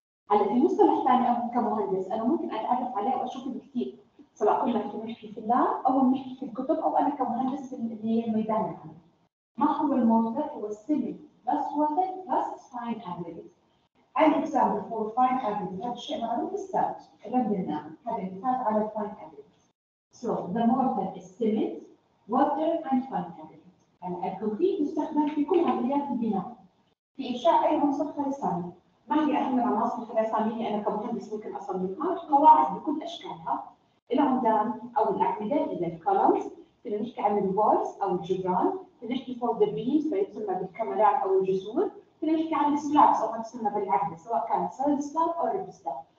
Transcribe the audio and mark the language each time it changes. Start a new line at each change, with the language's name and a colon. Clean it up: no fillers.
Arabic: هلا في مصطلح ثاني او كمهندس انا ممكن اتعرف عليه واشوفه بكثير، سواء كنا نحكي في اللاب او نحكي في الكتب او انا كمهندس في الميدان العام. ما هو
English: الموتر؟ هو السيمنت plus water plus fine aggregate.
Arabic: عندنا مثال
English: for fine aggregates،
Arabic: هذا الشيء معروف الساج ربنا هذا مثال على fine aggregates.
English: So the mortar is cement, water and fine aggregates.
Arabic: يعني الكونكريت مستخدم في كل عمليات البناء، في إنشاء أي عنصر خرساني. ما هي أهم العناصر الخرسانية أنا كمهندس ممكن أصممها؟ القواعد بكل أشكالها، العمدان أو الأعمدة إلى الكولومز، كنا نحكي عن الوالز أو الجدران، كنا نحكي
English: for the beams
Arabic: فيسمى بالكمالات أو الجسور، كنا نحكي عن السلابس أو ما تسمى بالعدة سواء كان سوليد سلاب أو ريب سلاب.